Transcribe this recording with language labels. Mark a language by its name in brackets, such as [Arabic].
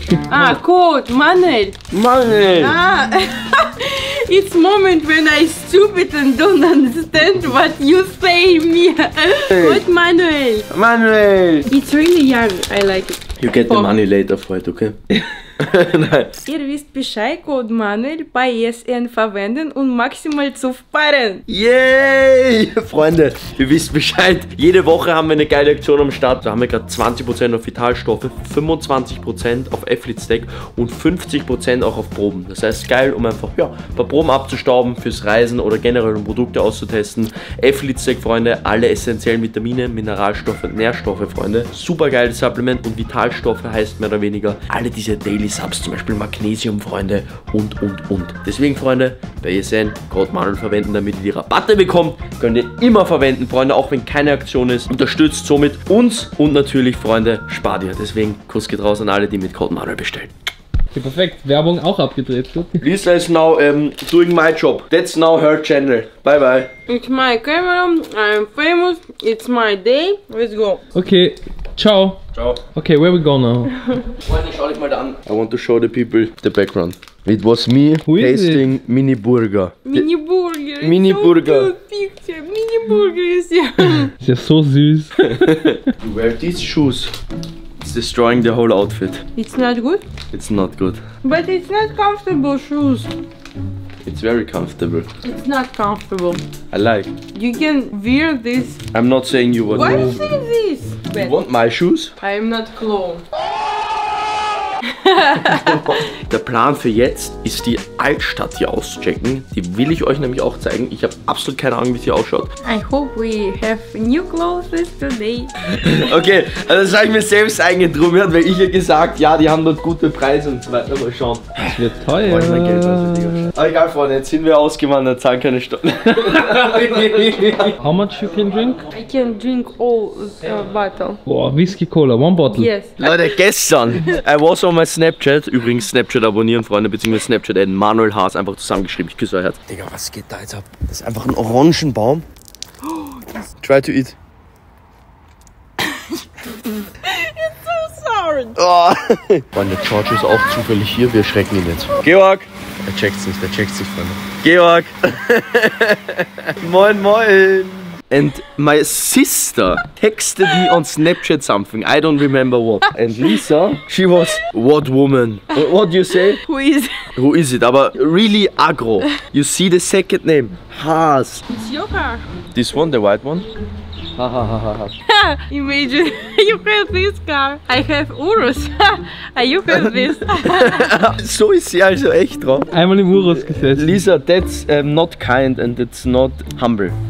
[English] Ah, code, money. Money. Ah. It's moment when I stupid and don't understand what you say me. What Manuel? Manuel! It's really young, I like it. You get the money later, Freud, okay? Nice. [German] Ihr wisst Bescheid, Code Manuel bei ESN verwenden und maximal zu sparen. Yay! Freunde, ihr wisst Bescheid. Jede Woche haben wir eine geile Aktion am Start. Da haben wir gerade 20% auf Vitalstoffe, 25% auf Athletic und 50% auch auf Proben. Das heißt, geil, um einfach ein paar Proben abzustauben fürs Reisen oder generell um Produkte auszutesten. Athletic, Freunde, alle essentiellen Vitamine, Mineralstoffe, Nährstoffe, Freunde. Super geiles Supplement und Vitalstoffe heißt mehr oder weniger alle diese Daily wie Saps zum Beispiel Magnesium, Freunde, und. Deswegen, Freunde, bei Yesen, Code Manuel verwenden, damit ihr die Rabatte bekommt. Könnt ihr immer verwenden, Freunde, auch wenn keine Aktion ist. Unterstützt somit uns und natürlich, Freunde, spart ihr. Deswegen, Kuss geht raus an alle, die mit Code Manuel bestellen. Okay, perfekt. Werbung auch abgedreht. [English] Lisa is now doing my job. That's now her channel. Bye bye. It's my camera. I'm famous. It's my day. Let's go. Okay. Ciao. Ciao. Okay, where we go now? [German] Freunde, schau dich mal an. [English] I want to show the people the background. It was me tasting Mini Burger. Mini Burger. Mini Burger. [German] Mini Burger ist ja. Ist ja so süß. [English] You wear these shoes. Destroying the whole outfit. It's not good? It's not good. But it's not comfortable shoes. It's very comfortable. It's not comfortable. I like. You can wear this. I'm not saying you want. Why you say this? But you want my shoes? I am not clone. [German] Der Plan für jetzt ist, die Altstadt hier auschecken. Die will ich euch nämlich auch zeigen. Ich habe absolut keine Ahnung, wie sie ausschaut. [English] I hope we have new clothes today. [German] Okay, also das habe ich mir selbst eingetrommelt, weil ich ja gesagt, ja, die haben dort gute Preise und so weiter. Mal schauen. Das wird teuer. Ich mein Geld, also, aber egal, Freunde, jetzt sind wir ausgewandert, zahlen keine Steuern. [English] How much you can drink? I can drink all the bottle. Boah, Whisky Cola, one bottle. Yes. [German] Leute, gestern, [English] I was on my Snapchat, [German] übrigens Snapchat abonnieren, Freunde, beziehungsweise Snapchat adden, Manuel Haas, einfach zusammengeschrieben, ich küsse euer Herz. Digga, was geht da jetzt ab? Das ist einfach ein Orangenbaum. [English] Oh, try to eat. It's so sorry. Oh. [German] Freunde, George ist auch zufällig hier, wir schrecken ihn jetzt. Georg! Er checkt sich, der checkt sich, Freunde. Georg! Moin, moin! [English] And my sister texted me on Snapchat something. I don't remember what. And Lisa, she was, what woman? What do you say? Who is it? Who is it? [German] Aber [English] really aggro. You see the second name? Haas. It's your car. This one, the white one? Ha ha ha ha. Imagine, you have this car. I have Urus. You have this. [German] So ist sie also echt drauf. Einmal im Urus gesessen. [English] Lisa, that's not kind and it's not humble.